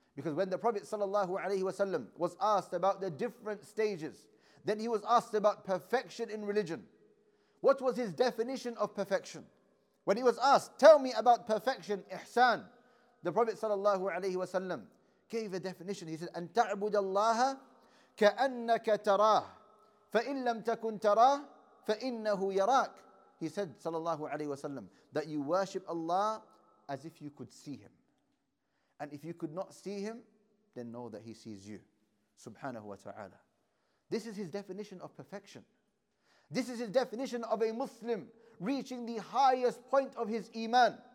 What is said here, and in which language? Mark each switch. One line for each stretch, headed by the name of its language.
English: Because when the Prophet sallallahu alaihi wasallam was asked about the different stages, then he was asked about perfection in religion. What was his definition of perfection? When he was asked, tell me about perfection, ihsan, the Prophet sallallahu alaihi wasallam gave a definition. He said,
Arabic: أن تعبد الله كأنك تراه فإن لم تكن تراه فإنه يراك.
English: he said, sallallahu alayhi wasallam, that you worship Allah as if you could see him. And if you could not see him, then know that he sees you. Subhanahu wa ta'ala. This is his definition of perfection. This is his definition of a Muslim reaching the highest point of his iman.